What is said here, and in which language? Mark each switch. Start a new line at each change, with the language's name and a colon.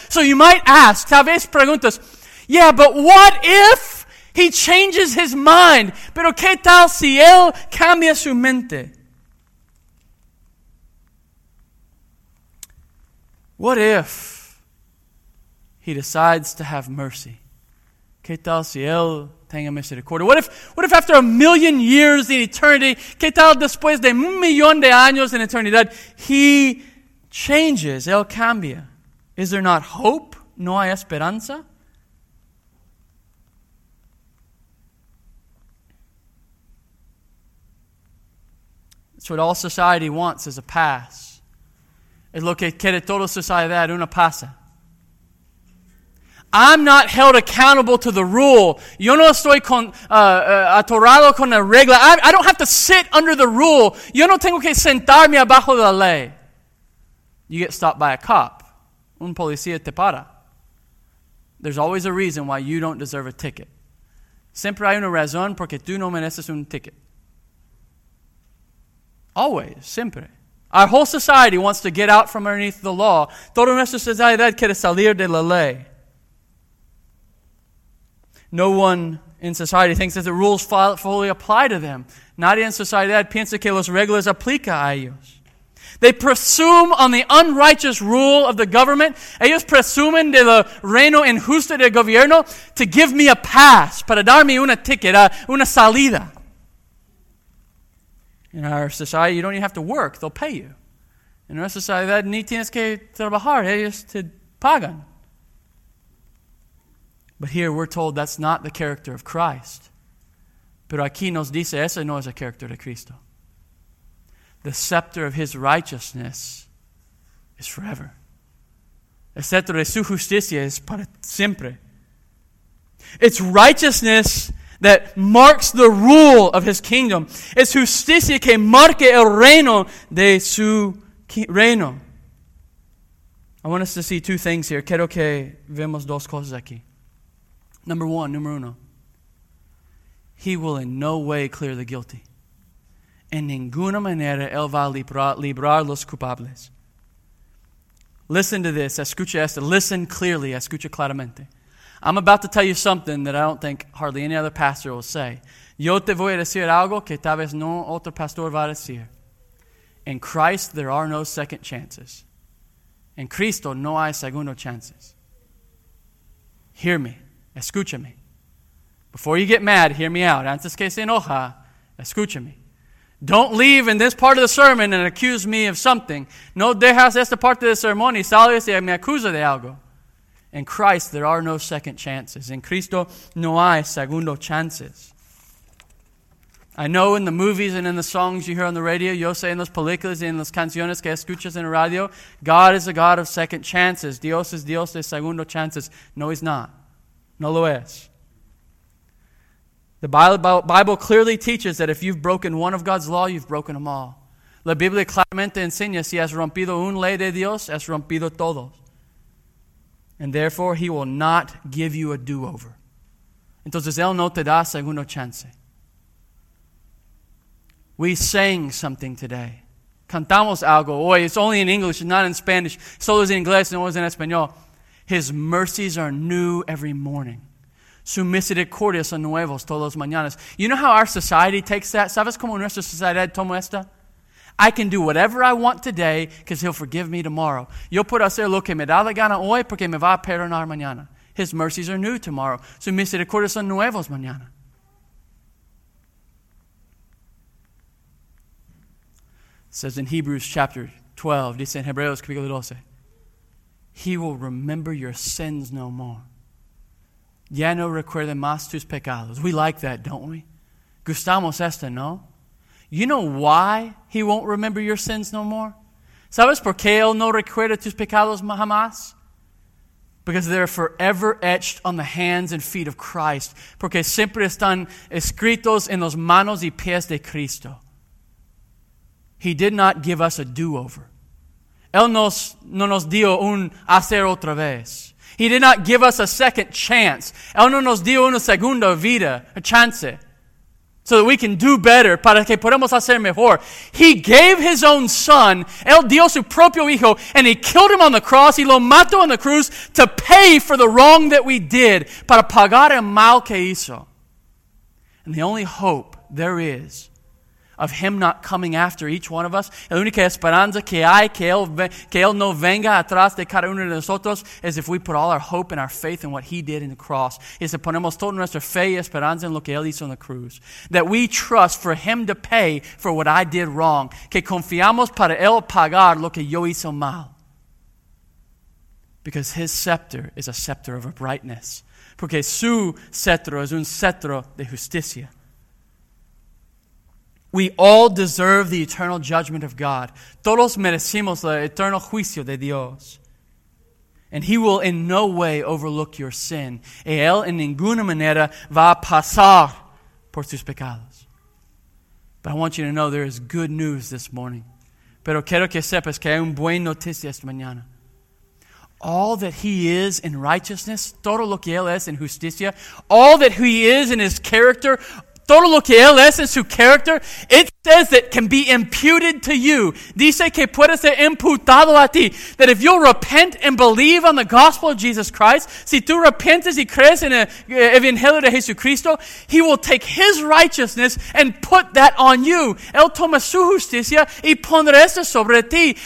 English: So you might ask,
Spanish: tal vez preguntas,
English: yeah, but what if he changes his mind?
Spanish: Pero qué tal si él cambia su mente?
English: What if he decides to have mercy?
Spanish: ¿Qué tal si Él tenga misericordia?
English: What if after a million years in eternity,
Spanish: ¿qué tal después de un millón de años en eternidad,
English: He changes,
Spanish: Él cambia?
English: Is there not hope?
Spanish: ¿No hay esperanza?
English: It's what all society wants is a pass.
Spanish: Es lo que quiere toda sociedad, una pasa.
English: I'm not held accountable to the rule.
Spanish: Yo no estoy atorado con la regla.
English: I don't have to sit under the rule.
Spanish: Yo no tengo que sentarme abajo de la ley.
English: You get stopped by a cop.
Spanish: Un policía te para.
English: There's always a reason why you don't deserve a ticket.
Spanish: Siempre hay una razón porque tú no mereces un ticket.
English: Always,
Spanish: siempre.
English: Our whole society wants to get out from underneath the law.
Spanish: Toda nuestra sociedad quiere salir de la ley.
English: No one in society thinks that the rules fully apply to them.
Spanish: Nadie en sociedad piensa que las reglas aplica a ellos.
English: They presume on the unrighteous rule of the government.
Spanish: Ellos presumen de lo reino injusto del gobierno
English: to give me a pass,
Spanish: para darme una ticket, una salida.
English: In our society, you don't even have to work. They'll pay you. In our society,
Spanish: ni tienes que trabajar. Ellos te pagan.
English: But here, we're told that's not the character of Christ.
Spanish: Pero aquí nos dice, ese no es el character de Cristo.
English: The scepter of His righteousness is forever.
Spanish: El scepter de su justicia es para siempre.
English: It's righteousness that marks the rule of His kingdom.
Spanish: Es justicia que marque el reino de su reino.
English: I want us to see two things here.
Spanish: Quiero que vemos dos cosas aquí.
English: Number one, He will in no way clear the guilty.
Spanish: En ninguna manera Él va a librar los culpables.
English: Listen to this.
Spanish: Escucha esto.
English: Listen clearly.
Spanish: Escucha claramente.
English: I'm about to tell you something that I don't think hardly any other pastor will say.
Spanish: Yo te voy a decir algo que tal vez no otro pastor va a decir.
English: In Christ, there are no second chances.
Spanish: En Cristo, no hay segundo chances.
English: Hear me.
Spanish: Escúchame.
English: Before you get mad, hear me out.
Spanish: Antes que se enoja, escúchame.
English: Don't leave in this part of the sermon and accuse me of something.
Spanish: No dejas esta parte del sermón y sales y me acusa de algo.
English: In Christ, there are no second chances.
Spanish: In Cristo, no hay segundo chances.
English: I know in the movies and in the songs you hear on the radio,
Spanish: yo sé en las películas y en las canciones que escuchas en la radio,
English: God is a God of second chances.
Spanish: Dios es Dios de segundo chances.
English: No, He's not.
Spanish: No lo es.
English: The Bible clearly teaches that if you've broken one of God's law, you've broken them all.
Spanish: La Biblia claramente enseña, si has rompido una ley de Dios, has rompido todos.
English: And therefore, He will not give you a do-over.
Spanish: Entonces, Él no te da segundo chance.
English: We sang something today.
Spanish: Cantamos algo.
English: Oye, it's only in English, not in Spanish.
Spanish: Solo es en inglés, no es en español.
English: His mercies are new every morning.
Spanish: Su misericordia son nuevos todos los mañanas.
English: You know how our society takes that?
Spanish: ¿Sabes cómo nuestra sociedad toma esta?
English: I can do whatever I want today because He'll forgive me tomorrow.
Spanish: Yo puedo hacer lo que me da la gana hoy porque me va a perdonar mañana.
English: His mercies are new tomorrow.
Spanish: Su misericordia son nuevos mañana.
English: It says in Hebrews chapter 12,
Spanish: dice en Hebreos capítulo 12,
English: He will remember your sins no more.
Spanish: Ya no recuerde más tus pecados.
English: We like that, don't we?
Spanish: Gustamos esto, ¿no?
English: You know why He won't remember your sins no more?
Spanish: ¿Sabes por qué Él no recuerda tus pecados jamás?
English: Because they're forever etched on the hands and feet of Christ.
Spanish: Porque siempre están escritos en las manos y pies de Cristo.
English: He did not give us a do-over.
Spanish: Él no nos dio un hacer otra vez.
English: He did not give us a second chance.
Spanish: Él no nos dio una segunda vida,
English: a chance. So that we can do better,
Spanish: para que podamos hacer mejor.
English: He gave His own Son,
Spanish: Él dio su propio Hijo,
English: and He killed Him on the cross,
Spanish: y lo mató en la cruz,
English: to pay for the wrong that we did,
Spanish: para pagar el mal que hizo.
English: And the only hope there is of him not coming after each one of us,
Spanish: la única esperanza que hay que él no venga atrás de cada uno de nosotros es
English: if we put all our hope and our faith in what he did in the cross.
Spanish: Es si ponemos toda nuestra fe y esperanza en lo que él hizo en la cruz.
English: That we trust for him to pay for what I did wrong.
Spanish: Que confiamos para él pagar lo que yo hice mal.
English: Because his scepter is a scepter of uprightness.
Spanish: Porque su cetro es un cetro de justicia.
English: We all deserve the eternal judgment of God.
Spanish: Todos merecemos el eterno juicio de Dios.
English: And he will in no way overlook your sin.
Spanish: Y él en ninguna manera va a pasar por tus pecados.
English: But I want you to know there is good news this morning.
Spanish: Pero quiero que sepas que hay una buena noticia esta mañana.
English: All that he is in righteousness,
Spanish: todo lo que él es en justicia,
English: all that he is in his character,
Spanish: todo lo que él es en su character,
English: it says that can be imputed to you.
Spanish: Dice que puede ser imputado a ti.
English: That if you'll repent and believe on the gospel of Jesus Christ,
Spanish: si tú repentes y crees en el evangelio de Jesucristo,
English: he will take his righteousness and put that on you.
Spanish: Él toma su justicia y pondrá eso sobre ti.